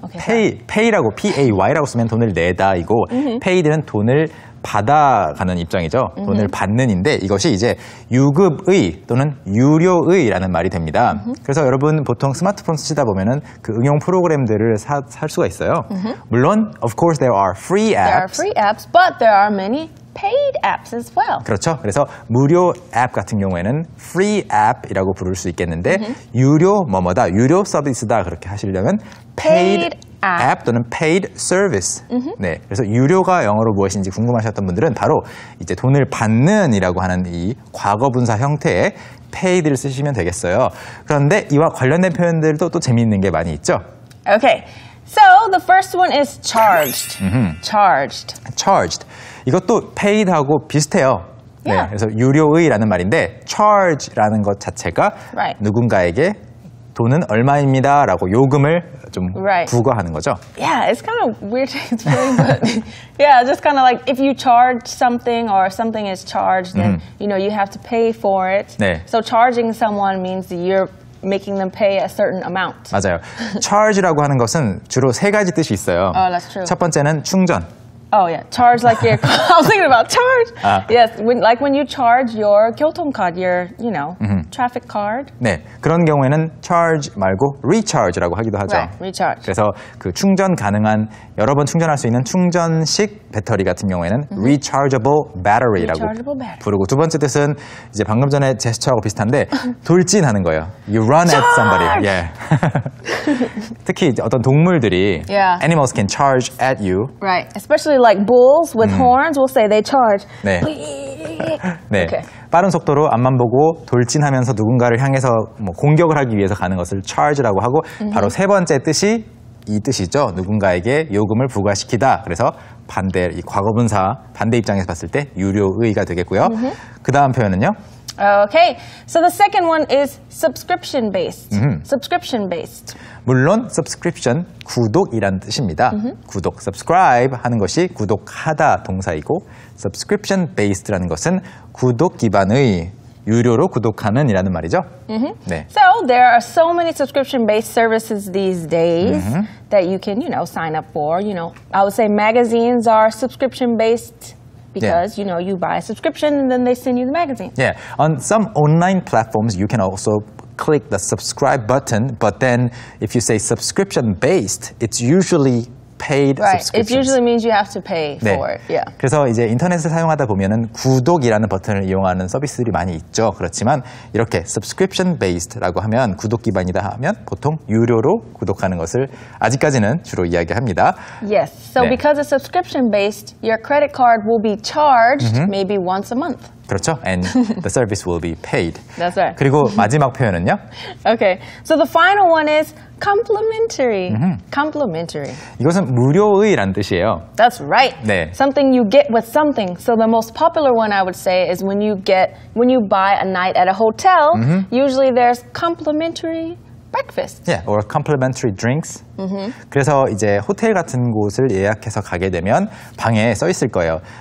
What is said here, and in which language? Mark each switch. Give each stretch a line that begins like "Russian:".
Korean: Okay. Pay. Pay라고 P-A-Y라고 쓰면 돈을 내다이고 paid는 돈을 받아가는 입장이죠. 돈을 받는인데 이것이 이제 유급의 또는 유료의라는 말이 됩니다. 그래서 여러분 보통 스마트폰 쓰시다 보면은 그 응용 프로그램들을 살 수가 있어요.
English: 물론 of course there are free apps. There are free apps, but there are many paid apps as well.
Korean: 그렇죠. 그래서 무료 앱 같은 경우에는 free app이라고 부를 수 있겠는데 유료 뭐뭐다, 유료 서비스다 그렇게 하시려면 paid app 또는 paid service. 네, 그래서 유료가 영어로 무엇인지 궁금하셨던 분들은 바로 이제 돈을 받는이라고 하는 이 과거분사 형태의 paid를 쓰시면 되겠어요. 그런데 이와 관련된 표현들도 또 재미있는 게 많이 있죠.
English: Okay, so the first one is charged. Charged.
Korean: Charged. 이것도 paid하고 비슷해요.
English: Yeah. 네,
Korean: 그래서 유료의라는 말인데 charge라는 것 자체가
English: right.
Korean: 누군가에게 돈은 얼마입니다 라고 요금을 좀
English: right.
Korean: 부과하는 거죠.
English: Yeah, it's kind of weird to explain, but yeah, just kind of like if you charge something or something is charged, then you know, you have to pay for it.
Korean: 네.
English: So charging someone means you're making them pay a certain amount.
Korean: 맞아요. Charge라고 하는 것은 주로 세 가지 뜻이 있어요.
English: Oh, that's true.
Korean: 첫 번째는 충전.
English: Oh yeah, charge like your. I was thinking about charge.
Korean: 아.
English: Yes, when, like when you charge your 교통 card, your you know traffic card.
Korean: 네, 그런 경우에는 charge 말고 recharge라고 하기도 하죠.
English: Right, recharge.
Korean: 그래서 그 충전 가능한 여러 번 충전할 수 있는 충전식 배터리 같은 경우에는 rechargeable battery라고 부르고 두 번째 뜻은 이제 방금 전에 제스처하고 비슷한데 돌진하는 거예요.
English: You run charge! at somebody.
Korean: Yeah. 특히 어떤 동물들이
English: yeah. animals can charge at you. Right, especially like bulls with horns will say they charge.
Korean: 네. 네. Okay. 빠른 속도로 앞만 보고 돌진하면서 누군가를 향해서 뭐 공격을 하기 위해서 가는 것을 charge라고 하고 바로 세 번째 뜻이 이 뜻이죠. 누군가에게 요금을 부과시키다. 그래서 반대, 이 과거분사 반대 입장에서 봤을 때 유료의가 되겠고요. 그 다음 표현은요?
English: Okay, so the second one is subscription based. Subscription based.
Korean: 물론 subscription, 구독이란 뜻입니다. 구독, subscribe 하는 것이 구독하다 동사이고 subscription based라는 것은 구독 기반의 유료로 구독하는 이라는 말이죠. 네.
English: So there are so many subscription based services these days that you can, you know, sign up for. You know, I would say magazines are subscription based because, you know, you buy a subscription and then they send you the magazine. Yeah. On some online platforms, you can also click the subscribe button. But then if you say subscription based, it's usually paid subscription. It usually means you have to pay for it. Yeah.
Korean: 그래서 이제 인터넷을 사용하다 보면은 구독이라는 버튼을 이용하는 서비스들이 많이 있죠. 그렇지만 이렇게 subscription based라고 하면 구독 기반이다 하면 보통 유료로 구독하는 것을 아직까지는 주로 이야기합니다.
English: Yes. So 네. because it's subscription based, your credit card will be charged maybe once a month.
Korean: 그렇죠.
English: And the service will be paid. That's right.
Korean: 그리고 마지막 표현은요?
English: Okay. So the final one is complimentary. Complimentary.
Korean: 이것은 무료의란 뜻이에요.
English: That's right.
Korean: 네.
English: Something you get with something. So the most popular one I would say is when you get when you buy a night at a hotel, usually there's complimentary breakfast. Yeah, or complimentary drinks.
Korean: 그래서 이제 호텔 같은 곳을 예약해서 가게 되면 방에 써 있을 거예요.